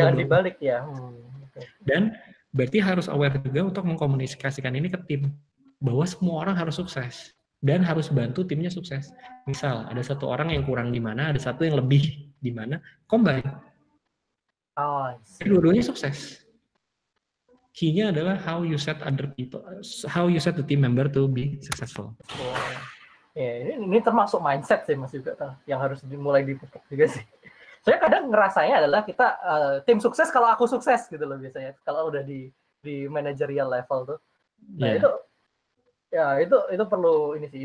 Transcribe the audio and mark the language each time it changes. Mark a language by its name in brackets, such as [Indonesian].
[Indonesian] Jangan dibalik ya. Dan berarti harus aware juga untuk mengkomunikasikan ini ke tim bahwa semua orang harus sukses dan harus bantu timnya sukses. Misal ada satu orang yang kurang di mana, ada satu yang lebih di mana, combine. Dua-duanya sukses. [English] Key-nya adalah how you set other people, how you set the team member to be successful. Oh. [Indonesian] Ya, ini termasuk mindset sih Mas juga yang harus dimulai dipupuk juga sih. Saya kadang ngerasanya adalah kita tim sukses kalau aku sukses gitu loh biasanya. Kalau udah di managerial level tuh. Itu perlu ini sih.